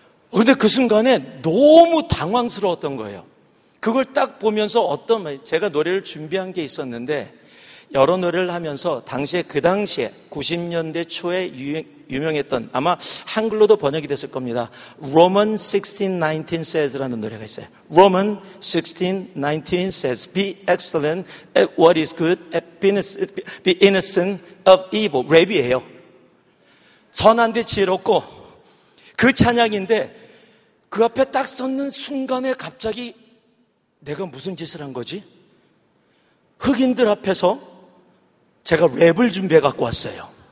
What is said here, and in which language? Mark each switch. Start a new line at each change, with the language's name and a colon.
Korean: 그런데 그 순간에 너무 당황스러웠던 거예요. 그걸 딱 보면서 어떤 제가 노래를 준비한 게 있었는데 여러 노래를 하면서 그 당시에 90년대 초에 유명했던 아마 한글로도 번역이 됐을 겁니다. Roman 16:19 says 라는 노래가 있어요.
English: Roman 16:19 says be excellent at what is good, be innocent of evil.
Korean: 랩이에요. 선한데 지혜롭고 그 찬양인데 그 앞에 딱 섰는 순간에 갑자기 내가 무슨 짓을 한 거지? 흑인들 앞에서 제가 랩을 준비해 갖고 왔어요.